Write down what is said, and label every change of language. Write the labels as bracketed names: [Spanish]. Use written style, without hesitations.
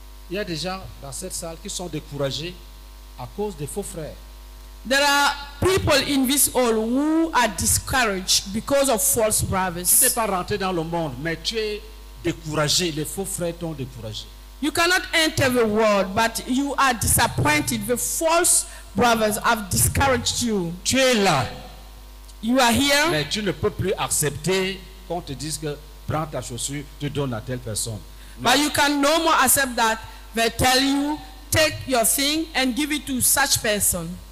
[French] Il y a des gens dans cette salle qui sont découragés à cause des faux frères. [English] There are people in this hall who are discouraged because of false brothers. [French] Tu n'es pas rentré dans le monde, mais tu es découragé. Les faux frères t'ont découragé. [English] You cannot enter the world, but you are disappointed. The false brothers have discouraged you. [French] Tu es là. [English] You are here. [French] Mais tu ne peux plus accepter qu'on te dise que prends ta chaussure, te donne à telle personne. [English] But you can no more accept that they tell you, take your thing and give it to such person.